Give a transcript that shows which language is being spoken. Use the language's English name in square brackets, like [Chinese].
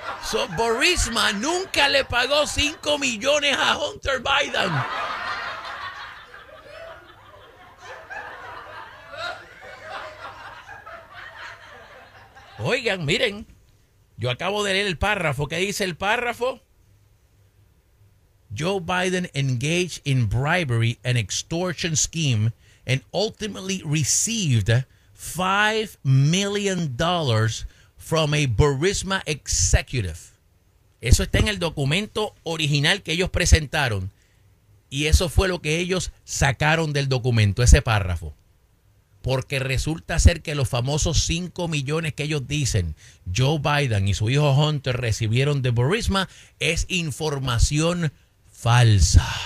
[Spanish] So, Burisma nunca le pagó 5 millones a Hunter Biden. Oigan, miren, yo acabo de leer el párrafo. ¿Qué dice el párrafo? [English] Joe Biden engaged in bribery and extortion scheme and ultimately received $5 million from a Burisma executive. [Spanish] Eso está en el documento original que ellos presentaron y eso fue lo que ellos sacaron del documento, ese párrafo. Porque resulta ser que los famosos 5 millones que ellos dicen Joe Biden y su hijo Hunter recibieron de Burisma es información falsa.